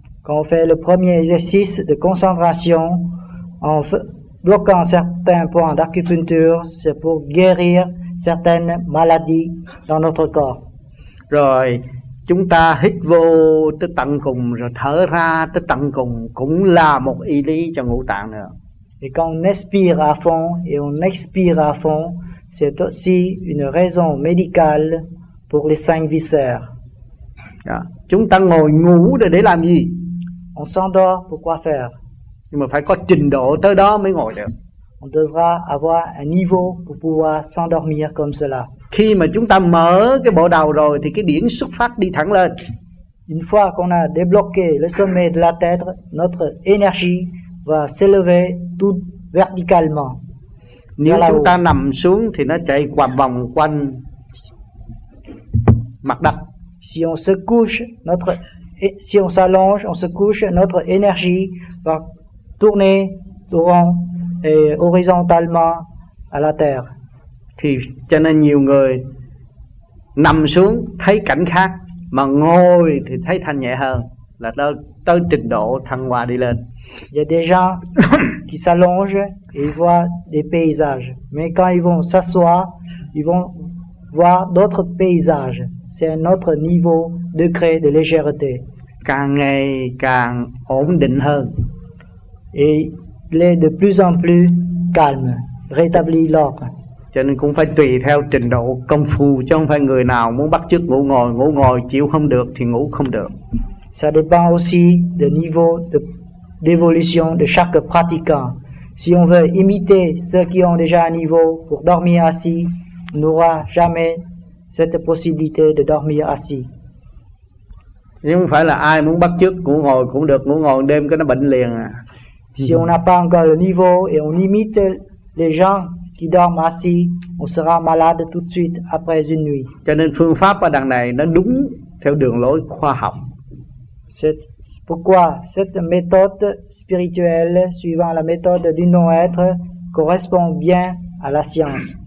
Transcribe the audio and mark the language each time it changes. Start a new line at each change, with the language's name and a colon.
French: Quand on fait le premier exercice de concentration en bloquant certains points d'acupuncture, c'est pour guérir certaines maladies dans notre corps.
Vietnamese: Rồi, chúng ta hít vô tới tận cùng rồi thở ra tới tận cùng cũng là một y lý cho ngũ tạng nữa.
French: Et quand on expire à fond et on expire à fond, c'est aussi une raison médicale pour les cinq viscères.
Vietnamese: Chúng ta ngồi ngủ để làm gì?
French: On s'endort pour quoi faire?
Vietnamese: Nhưng mà phải có trình độ tới đó mới ngồi được.
French: On devra avoir un niveau pour pouvoir s'endormir comme cela.
Vietnamese: Khi mà chúng ta mở cái bộ đầu rồi thì cái điển xuất phát đi thẳng lên.
French: Une fois qu'on a débloqué le sommet de la tête, notre énergie va s'élever tout verticalement.
Vietnamese: Nếu chúng ta nằm xuống thì nó chạy qua vòng quanh mặt đất.
French: Si on se couche, notre si on s'allonge, on se couche, notre énergie va tourner rond et horizontalement à la terre.
Vietnamese: Thì cho nên nhiều người nằm xuống thấy cảnh khác, mà ngồi thì thấy thanh nhẹ hơn, là tới trình độ thăng hoa đi lên.
French: Il y a des gens qui s'allongent et voient des paysages, mais quand ils vont s'asseoir, ils vont voir d'autres paysages. C'est un autre niveau degré de légèreté.
Vietnamese: Càng ngày càng ổn định hơn.
French: Et il est de plus en plus calme, rétabli l'ordre.
Vietnamese: Cho nên cũng phải tùy theo trình độ công phu, chứ không phải người nào muốn bắt chước ngủ ngồi chịu không được thì ngủ không được.
French: Ça dépend aussi du niveau de d'évolution de chaque pratiquant. Si on veut imiter ceux qui ont déjà un niveau pour dormir assis, on n'aura jamais cette possibilité de dormir assis.
Vietnamese: Nếu không phải là ai muốn bắt chước ngủ ngồi cũng được, ngủ ngồi đêm cái nó bệnh liền à.
French: Si on n'a pas encore le niveau et on imite les gens qui dorment assis, on sera malade tout de suite après une nuit.
Vietnamese: Cho nên phương pháp ở đằng này nó đúng theo đường lối khoa học.
French: C'est pourquoi cette méthode spirituelle suivant la méthode du non-être correspond bien à la science.